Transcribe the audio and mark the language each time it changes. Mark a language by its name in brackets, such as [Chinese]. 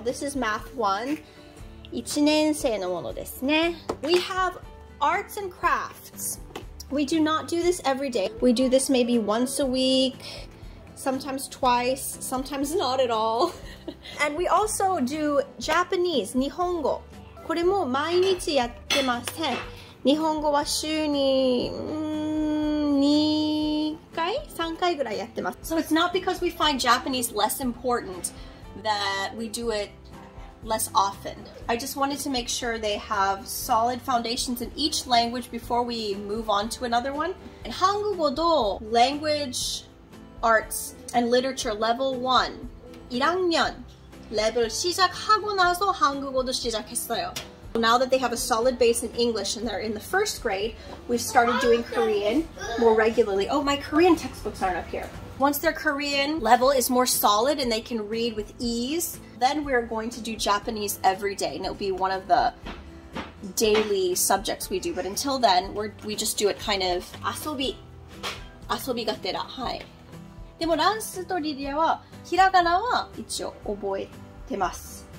[English] This is math one. [Japanese] 1年生のものですね。 [English] We have arts and crafts. We do not do this every day. We do this maybe once a week, sometimes twice, sometimes not at all. And we also do Japanese, 日本語。 [Japanese] これも毎日やってません。日本語は週に2回、3回ぐらいやってます。 [English] So it's not because we find Japanese less important that we do itless often. I just wanted to make sure they have solid foundations in each language before we move on to another one. And [Korean] 한국어도 [English] language, arts, and literature level 1. [Korean] 1학년 level 시작하고나서 한국어도 시작했어요. [English] Now that they have a solid base in English and they're in the first grade, we've started doing Korean more regularly. Oh, my Korean textbooks aren't up here. Once their Korean level is more solid and they can read with ease, then we're going to do Japanese every day. And it'll be one of the daily subjects we do. But until then, we just do it kind of [Japanese] 遊びがてら。はい。でもランスとリリアはひらがなは一応覚えてます。